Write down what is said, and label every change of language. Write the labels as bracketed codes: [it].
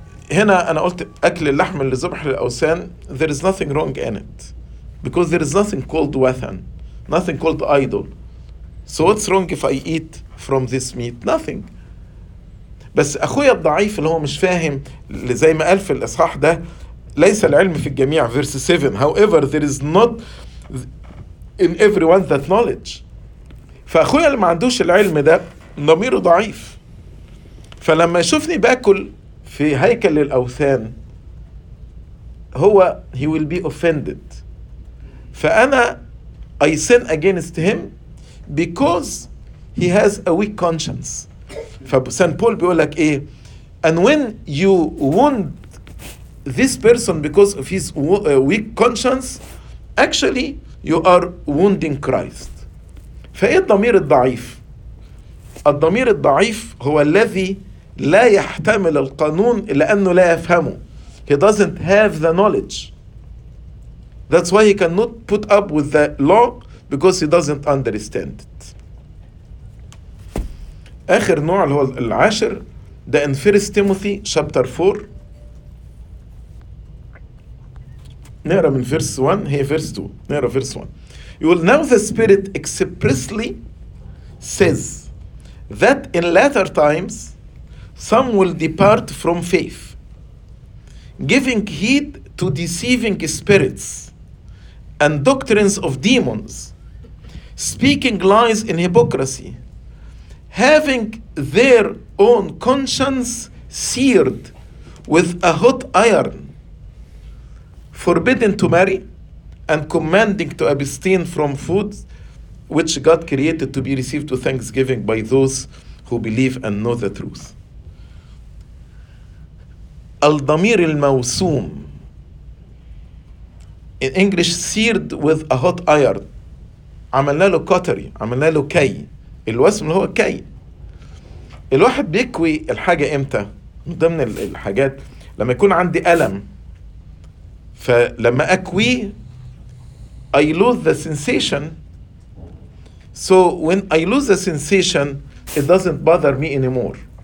[ar] هنا أنا قلت أكل اللحم اللي ذبح للأوثان, [en] there is nothing wrong in it, because there is nothing called wathan, nothing called idol. So what's wrong if I eat from this meat? Nothing. [ar] بس أخويا الضعيف اللي هو مش فاهم, زي ما قال في الإصحاح ده, ليس العلم في الجميع, verse 7, [en] however there is not in everyone that knowledge. [ar] فأخويا اللي ما عندوش العلم ده ضميره ضعيف, فلما يشوفني بأكل في هيكل الأوثان هو, [en] he will be offended. فأنا I sin against him because he has a weak conscience. [ar] فسان بول بيقولك إيه, [en] and when you wound this person because of his weak conscience, actually you are wounding Christ. [ar] فإيه الضمير الضعيف؟ الضمير الضعيف هو الذي لا يحتمل القانون لأنه لا يفهمه. [en] He doesn't have the knowledge. That's why he cannot put up with the law, because he doesn't understand it. [ar] آخر نوع اللي هو العاشر, ده [en] in 1 Timothy chapter 4. [ar] نقرأ من verse 1, هي verse 2. نقرأ verse 1. [en] You will know the Spirit expressly says that in latter times some will depart from faith, giving heed to deceiving spirits and doctrines of demons, speaking lies in hypocrisy, having their own conscience seared with a hot iron, forbidden to marry and commanding to abstain from foods which God created to be received with thanksgiving by those who believe and know the truth. [ar] الضمير الموسوم, [en] in English seared with a hot iron, [ar] عملنا له كوتري, عملنا له كي, الوسم اللي هو كي. الواحد بيكوي الحاجة امتى؟ ضمن الحاجات لما يكون عندي ألم, فلما أكوي [en] I lose the sensation. So when I lose the sensation, it doesn't bother me anymore.